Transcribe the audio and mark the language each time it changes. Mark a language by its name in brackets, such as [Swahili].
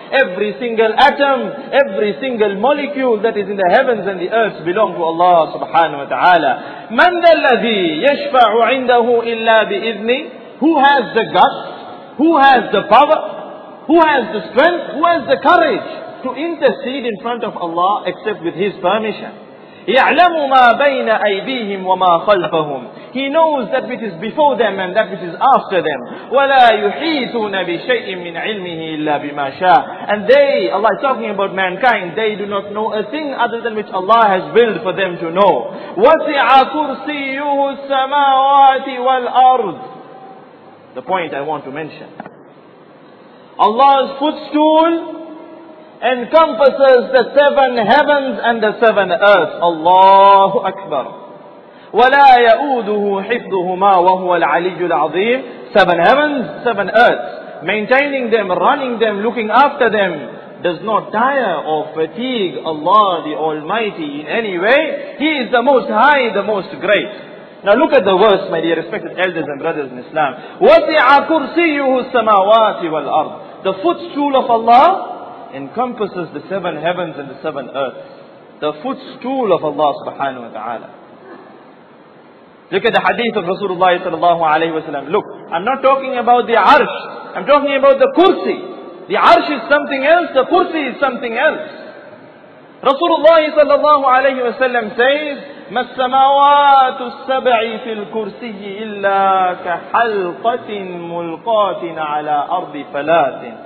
[English] Every single atom, every single molecule that is in the heavens and the earth belong to Allah subhanahu wa ta'ala. [Arabic] مَنْ ذَا الَّذِي يَشْفَعُ عِنْدَهُ إِلَّا بِإِذْنِ. [English] Who has the guts? Who has the power? Who has the strength? Who has the courage to intercede in front of Allah except with His permission? [Arabic] يعلم ما بين أيديهم وما خلفهم. [English] He knows that which is before them and that which is after them. [Arabic] ولا يحيطون بشيء من علمه إلا بما شاء. [English] And they, Allah is talking about mankind, they do not know a thing other than which Allah has willed for them to know. [Arabic] وسع كرسيه السماوات والأرض. [English] The point I want to mention. Allah's footstool encompasses the seven heavens and the seven earths. Allahu Akbar. [Arabic] وَلَا يَؤُودُهُ حِفْظُهُمَا وَهُوَ الْعَلِيُّ الْعَظِيمُ. [English] Seven heavens, seven earths. Maintaining them, running them, looking after them does not tire or fatigue Allah the Almighty in any way. He is the most high, the most great. Now look at the verse, my dear respected elders and brothers in Islam. [Arabic] وَسِعَ كُرْسِيُّهُ السَّمَاوَاتِ وَالْأَرْضِ. [English] The footstool of Allah encompasses the seven heavens and the seven earths. The footstool of Allah subhanahu wa ta'ala. Look at the hadith of Rasulullah sallallahu alayhi wa sallam. Look, I'm not talking about the arsh. I'm talking about the kursi. The arsh is something else, the kursi is something else. Rasulullah sallallahu alayhi wa sallam says, [Arabic] ما السماوات السبع في الكرسي إلا كحلقة ملقاة على أرض فلات.